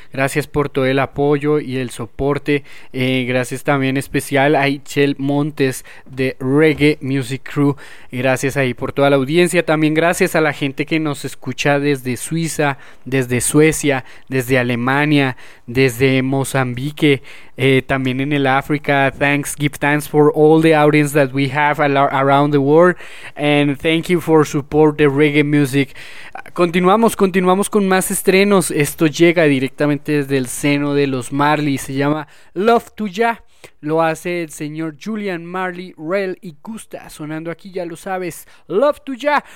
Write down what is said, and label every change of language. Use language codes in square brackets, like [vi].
[es] Gracias por todo el apoyo y el soporte. Gracias también especial a Ichel Montes de Reggae Music Crew. Gracias ahí por toda la audiencia. También gracias a la gente que nos escucha desde Suiza, desde Suecia, desde Alemania, desde Mozambique. También en el África. [en] Thanks, give thanks for all the audience that we have around the world, and thank you for support the reggae music. [es] Continuamos con más estrenos. Esto llega directamente desde el seno de los Marley, se llama Love to Ya, lo hace el señor Julian Marley, Rel y Gusta, sonando aquí, ya lo sabes, Love to Ya.